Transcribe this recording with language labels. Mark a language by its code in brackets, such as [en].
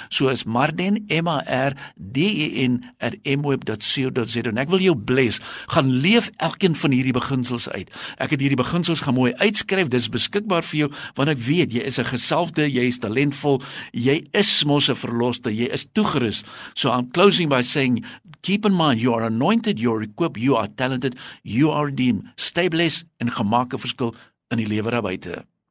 [af] So is Marden, marden@mweb.co.za. En ek wil jou bless. Gaan leef elkeen van hierdie beginsels uit. Ek het hierdie beginsels gaan mooi uitskryf, dis beskikbaar vir jou, want ek weet, jy is 'n gesalfde, jy is talentvol, jy is mos 'n verloste, jy is toegerus. [en] So I'm closing by saying, keep in mind, you are anointed, you are equipped, you are talented, you are redeemed. Stay blessed [af] en gemaak 'n verskil in die lewe daar buite.